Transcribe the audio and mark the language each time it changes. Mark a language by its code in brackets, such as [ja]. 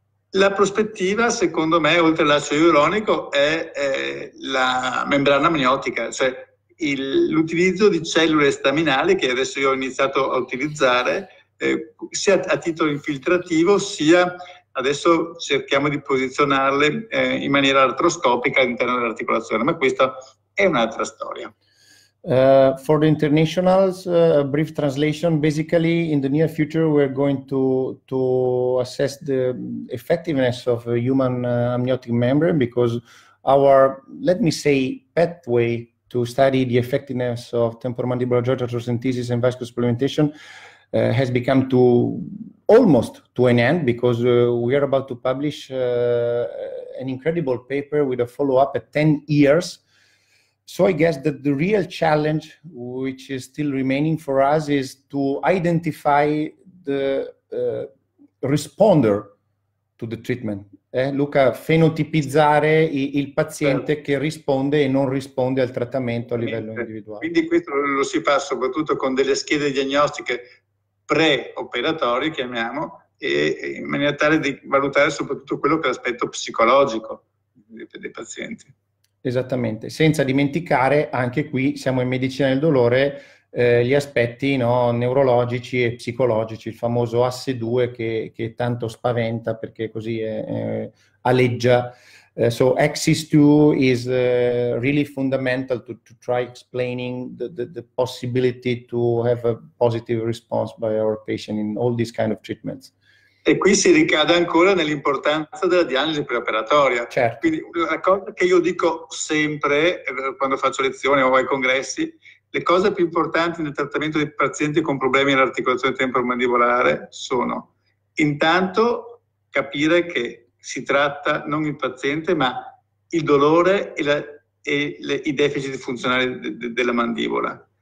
[it] La prospettiva, secondo me, oltre all'acido ialuronico, è la membrana amniotica, cioè l'utilizzo di cellule staminali, che adesso io ho iniziato a utilizzare, sia a titolo infiltrativo, sia adesso cerchiamo di posizionarle in maniera artroscopica all'interno dell'articolazione, ma questa è un'altra storia. [en] For the internationals, a brief translation. Basically, in the near future, we're going to assess the effectiveness of a human amniotic membrane, because our, let me say, pathway to study the effectiveness of temporomandibular joint arthrocentesis and viscosupplementation has become to almost to an end, because we are about to publish an incredible paper with a follow-up at 10 years. So I guess that the real challenge, which is still remaining for us, is to identify the responder to the treatment. [it] Luca, fenotipizzare il paziente che risponde e non risponde al trattamento a livello individuale. Quindi questo lo si fa soprattutto con delle schede diagnostiche pre-operatorie, chiamiamo, e in maniera tale di valutare soprattutto quello che è l'aspetto psicologico dei pazienti. Esattamente, senza dimenticare, anche qui siamo in medicina del dolore, gli aspetti, no, neurologici e psicologici, il famoso asse 2 che tanto spaventa, perché così è aleggia. [en] So axis 2 is really fundamental to try explaining the possibility to have a positive response by our patient in all these kind of treatments. [it] E qui si ricade ancora nell'importanza della diagnosi preoperatoria. Certo. Quindi una cosa che io dico sempre quando faccio lezioni o ai congressi, le cose più importanti nel trattamento dei pazienti con problemi nell'articolazione temporomandibolare sono, intanto, capire che si tratta non il paziente, ma il dolore e i deficit funzionali della mandibola.